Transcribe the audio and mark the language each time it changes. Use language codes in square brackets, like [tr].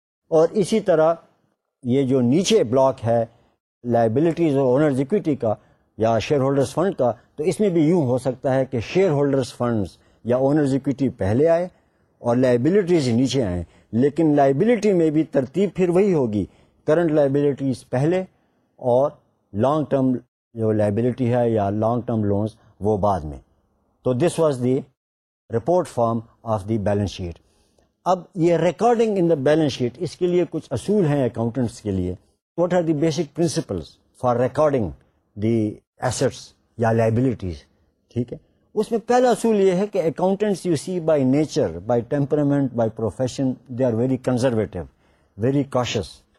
[ur] اور اسی طرح یہ جو نیچے بلاک ہے لائبلٹیز اور اونرز ایکویٹی کا یا شیئر ہولڈرز فنڈ کا, تو اس میں بھی یوں ہو سکتا ہے کہ شیئر ہولڈرز فنڈز یا اونرز ایکویٹی پہلے آئے اور لائبلٹیز نیچے آئیں, لیکن لائبلٹی میں بھی ترتیب پھر وہی ہوگی, کرنٹ لائبلٹیز پہلے اور لانگ ٹرم جو لائبلٹی ہے یا لانگ ٹرم لونز وہ بعد میں. [en] تو this was the report form of the balance sheet. [ur] اب یہ [en] recording in the balance sheet, [ur] اس کے لیے کچھ اصول ہیں اکاؤنٹنٹس کے لیے. [en] What are the basic principles for recording the assets یا liabilities? [ur] ٹھیک ہے, اس میں پہلا اصول یہ ہے کہ [en] Accountants, you see, by nature, by temperament, by profession, they are very conservative, very cautious.